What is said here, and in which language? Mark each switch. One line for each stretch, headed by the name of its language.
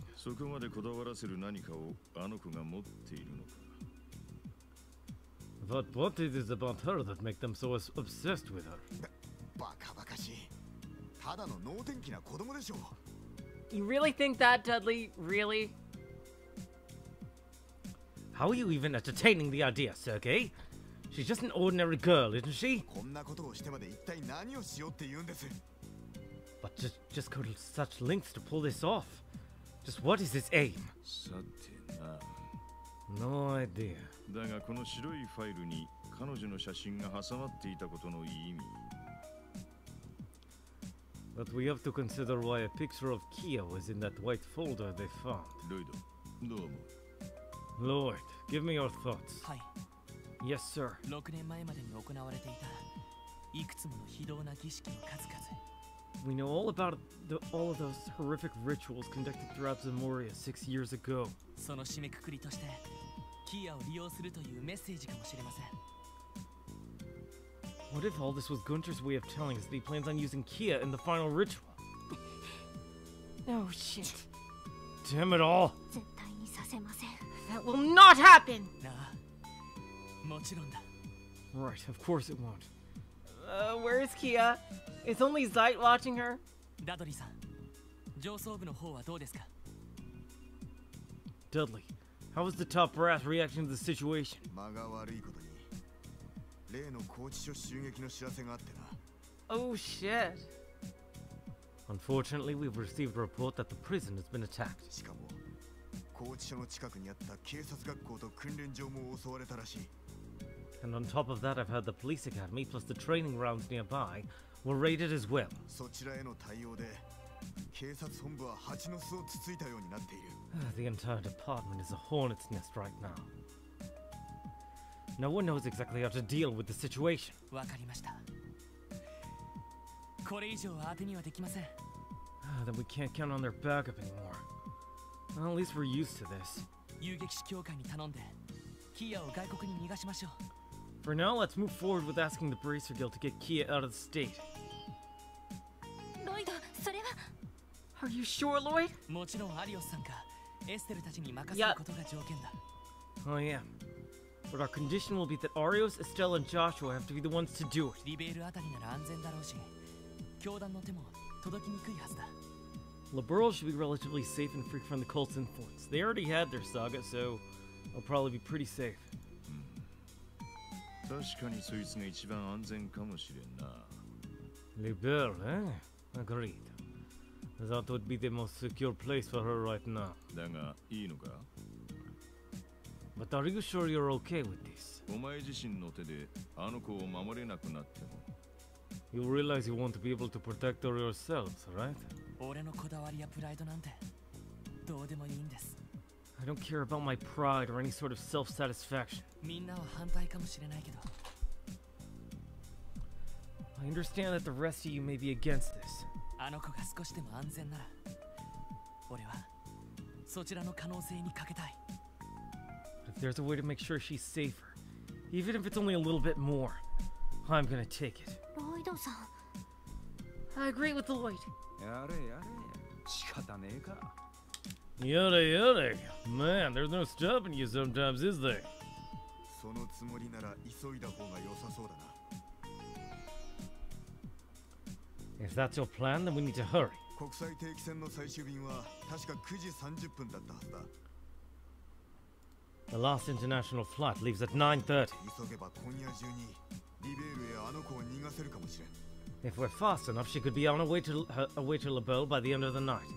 Japanese: そこまでこだわらせる何かをあの子が持っているのか。
English: But what is it about her that make them so obsessed with her?
Japanese: バカバカしい。ただの能天気な子供でしょう。
English: You really think that, Dudley? Really? How are you even entertaining the idea, Sergei? She's just an ordinary girl, isn't she?
Japanese: こんなことをしてまで一体何をしようって言うんです。
English: But just go to such lengths to pull this off. Just what is his aim?
Japanese: さてな。
English: No idea.
Japanese: だがこの白いファイルに彼女の写真が挟まっていたことの意味。
English: But we have to consider why a picture of Kia was in that white folder they found.
Japanese: ロイド、どう思う?
English: Lloyd, give me your thoughts.
Japanese: はい。
English: Yes, sir.
Japanese: 6年前までに行われていたいくつもの非道な儀式の数々。
English: We know all about all of those horrific rituals conducted throughout Zamoria 6 years ago.
Japanese: その締めくくりとして、キアを利用するというメッセージかもしれません。
English: What if all this was Gunter's way of telling us that he plans on using Kia in the final ritual? Oh shit. Damn it all!
Japanese: 絶対にさせません。
English: That will not happen!
Japanese: なあ、もちろんだ。
English: Right, of course it won't. Where is Kia? It's only Zeit watching her.
Japanese: Dudley-san, 上層部の方はどうですか?
English: Dudley, how is the top brass reacting to the situation?
Japanese: 間が悪いことに、例の拘置所襲撃の知らせがあってな。
English: Oh shit. Unfortunately, we've received a report that the prison has been attacked.
Japanese: しかも、拘置所の近くにあった警察学校と訓練場も襲われたらしい。
English: And on top of that, I've heard the police academy plus the training grounds nearby were raided as well.
Japanese: そちらへの対応で警察本部は蜂の巣をつついたようになっている。
English: The entire department is a hornet's nest right now. No one knows exactly how to deal with the situation.
Japanese: わかりました。これ以上は当てにはできません。
English: Then we can't count on their backup anymore. Well, at least we're used to this.
Japanese: 遊撃士協会に頼んでキアを外国に逃がしましょう。
English: For now, let's move forward with asking the Bracer Guild to get Kia out of the state.
Japanese: Lloyd, それは…
English: Are you sure, Lloyd?
Japanese: もちろん、アリオスさんか、エステルたちに任せることが条件だ。
English: I am. But our condition will be that Arios, Estelle, and Joshua have to be the ones to do it.
Japanese: リベールあたりなら安全だろうし、教団の手も届きにくいはずだ。
English: Liberal should be relatively safe and free from the cult's influence. They already had their saga, so they'll probably be pretty safe.
Japanese: 確かにそいつが一番安全かもしれんな。
English: リベル、eh? Agreed. That would be the most secure place for her right now.
Japanese: だが、いいのか?
English: But are you sure you're okay with this?
Japanese: お前自身の手で、あの子を守れなくなっても。
English: You realize you won't be able to protect her yourselves, right?
Japanese: 俺のこだわりやプライドなんて、どうでもいいんです。
English: I don't care about my pride or any sort of self-satisfaction.
Japanese: みんなは反対かもしれないけど。
English: I understand that the rest of you may be against this.
Japanese: あの子が少しでも安全なら、俺はそちらの可能性にかけたい。
English: But if there's a way to make sure she's safer, even if it's only a little bit more, I'm gonna take it.
Japanese: ロイドさん。
English: I agree with Lloyd.
Japanese: やれやれ、仕方ねえか。
English: Yada yada. Man, there's no stopping you sometimes, is there?
Japanese: そのつもりなら急いだ方が良さそうだな。
English: If that's your plan, then we need to hurry.
Japanese: 国際定期船の最終便は確か9時30分だったはずだ。
English: The last international flight leaves at 9:30.
Japanese: 急げば今夜中にリベールへあの子を逃がせるかもしれん。
English: If we're fast enough, she could be on her way to LaBelle by the end of the night.